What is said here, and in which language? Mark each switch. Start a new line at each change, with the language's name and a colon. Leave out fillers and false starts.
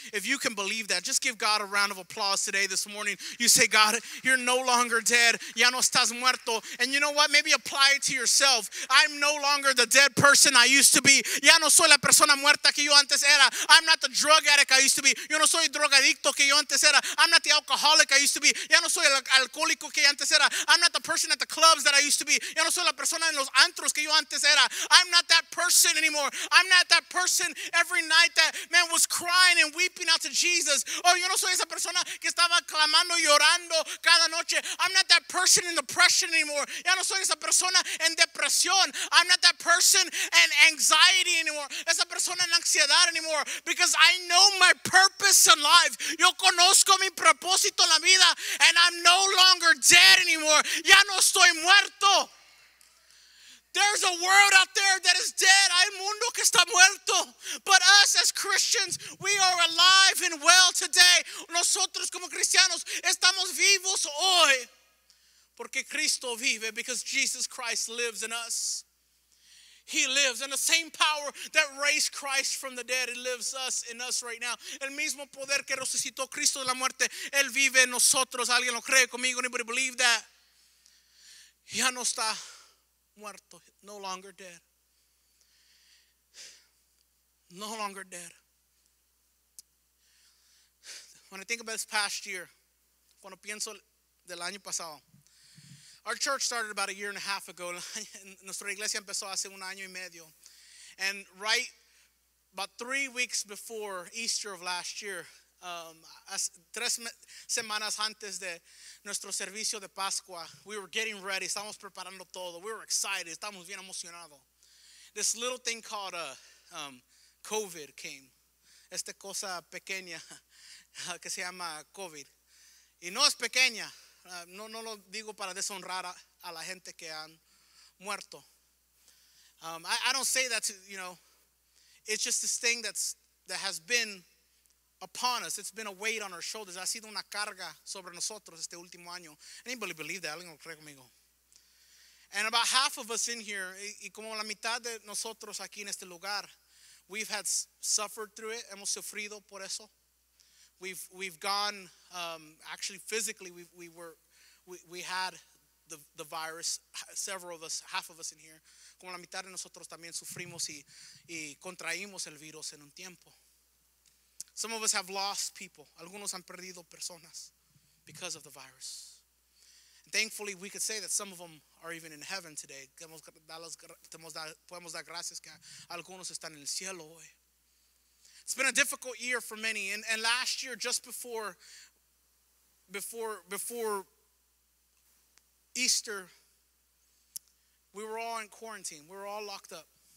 English: If you can believe that, just give God a round of applause today, this morning. You say, God, you're no longer dead,
Spanish: ya no estás muerto.
English: And you know what? Maybe apply it to yourself. I'm no longer the dead person I used to be.
Spanish: Ya no soy la persona muerta que yo antes era.
English: I'm not the drug addict I used to be.
Spanish: Yo no soy drogadicto que yo antes era.
English: I'm not the alcoholic I used to be.
Spanish: Ya no soy el alcohólico que antes era.
English: I'm not the person at the clubs that I used to be.
Spanish: Ya no soy la persona en los antros que yo antes era.
English: I'm not that person anymore. I'm not that person every night that man was crying and weeping out to Jesus.
Spanish: Oh, yo no soy esa persona que estaba clamando y llorando cada noche.
English: I'm not that person in depression anymore.
Spanish: Ya no soy esa persona en depresión.
English: I'm not that person in anxiety anymore.
Spanish: Esa persona en ansiedad
English: anymore. Because I know my purpose in life.
Spanish: Yo conozco mi propósito en la vida.
English: And I'm no longer dead anymore.
Spanish: Ya no estoy muerto.
English: There's a world out there that is dead.
Spanish: Hay mundo que está muerto.
English: But us as Christians, we are alive and well today.
Spanish: Nosotros como cristianos estamos vivos hoy. Porque Cristo vive,
English: because Jesus Christ lives in us. He lives, and the same power that raised Christ from the dead, it lives us in us right now.
Spanish: El mismo poder que resucitó Cristo de la muerte, él vive en nosotros. ¿Alguien lo cree conmigo?
English: Anybody believe that?
Spanish: Ya no está muerto,
English: no longer dead. No longer dead. When I think about this past year,
Spanish: cuando pienso del año pasado,
English: our church started about a year and a half ago.
Spanish: Nuestra iglesia empezó hace un año y medio.
English: And right about 3 weeks before Easter of last year,
Spanish: tres semanas antes de nuestro servicio de Pascua,
English: we were getting ready.
Spanish: Estamos preparando todo.
English: We were excited.
Spanish: Estamos bien emocionados.
English: This little thing called COVID came.
Spanish: Esta cosa pequeña que se llama COVID. Y no es pequeña. No lo digo para deshonrar a la gente que han muerto.
English: I don't say that to, you know, it's just this thing that has been upon us. It's been a weight on our shoulders.
Spanish: Ha sido una carga sobre nosotros este último año.
English: Anybody believe that?
Spanish: Alguien lo cree conmigo.
English: And about half of us in here,
Spanish: y como la mitad de nosotros aquí en este lugar,
English: we've had suffered through it.
Spanish: Hemos sufrido por eso.
English: We've gone, actually physically, we had the virus, several of us, half of us in here.
Spanish: Como la mitad de nosotros también sufrimos y contraímos el virus en un tiempo.
English: Some of us have lost people.
Spanish: Algunos han perdido personas
English: because of the virus. And thankfully, we could say that some of them are even in heaven today.
Spanish: Podemos dar gracias que algunos están en el cielo hoy.
English: It's been a difficult year for many. And last year, just before Easter, we were all in quarantine. We were all locked up.